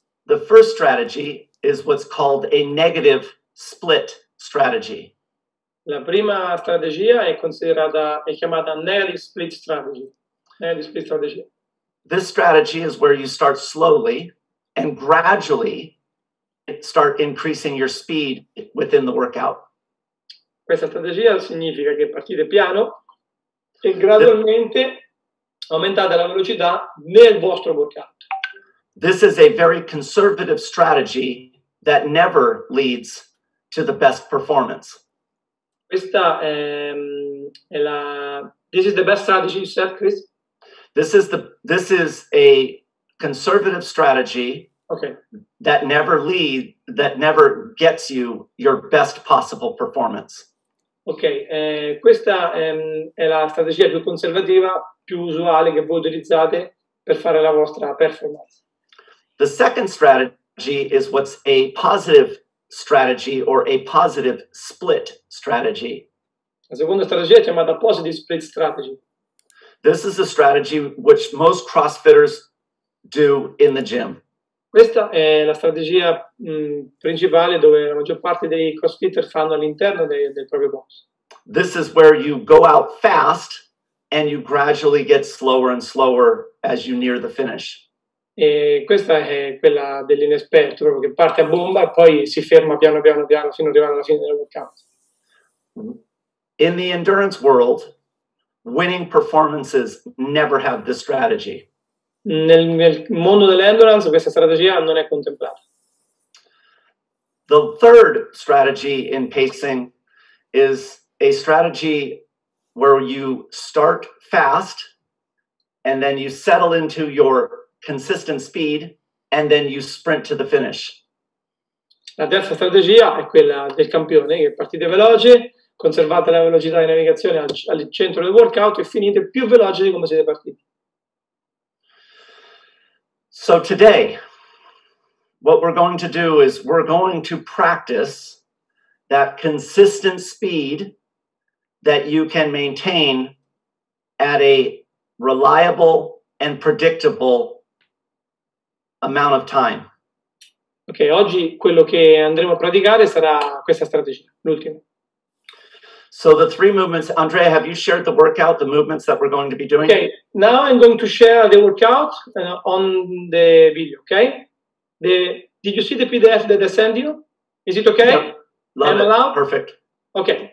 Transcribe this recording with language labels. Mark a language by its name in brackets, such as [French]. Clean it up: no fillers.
[English] The first strategy is what's called a negative split strategy. [Italian] La prima strategia è chiamata negative split strategy. [English] Negative split strategy. This strategy is where you start slowly and gradually start increasing your speed within the workout. [Italian] Questa strategia significa che partite piano e gradualmente aumentate la velocità nel vostro workout. [English] This is a very conservative strategy that never leads to the best performance. Questa è la this is the best strategy you said, Chris. This is a conservative strategy Okay. That never gets you your best possible performance. [Italian] Ok, questa è la strategia più conservativa, più usuale che voi utilizzate per fare la vostra performance. [English] The second strategy is what's a positive strategy or a positive split strategy. [Italian] La seconda strategia è chiamata positive split strategy. [English] This is a strategy which most CrossFitters do in the gym. [Italian] Questa è la strategia principale dove la maggior parte dei CrossFitter fanno all'interno del proprio box. [English] This is where you go out fast and you gradually get slower and slower as you near the finish. [Italian] E questa è quella dell'inesperto, proprio che parte a bomba e poi si ferma piano piano piano fino ad arrivare alla fine del workout. [English] In the endurance world, winning performances never have this strategy. [Italian] Nel mondo dell'endurance questa strategia non è contemplata. [English] The third strategy in pacing is a strategy where you start fast and then you settle into your consistent speed and then you sprint to the finish. [Italian] La terza strategia è quella del campione, che partite veloce, conservate la velocità di navigazione al centro del workout e finite più veloci di come siete partiti. [English] So today, what we're going to do is we're going to practice that consistent speed that you can maintain at a reliable and predictable amount of time. [Italian] Ok, oggi quello che andremo a praticare sarà questa strategia, l'ultima. [English] So the three movements, Andrea, have you shared the workout, the movements that we're going to be doing? Okay, now I'm going to share the workout on the video, okay? Did you see the PDF that I sent you? Is it okay? Yep. Love I'm it. Allowed? Perfect. Okay.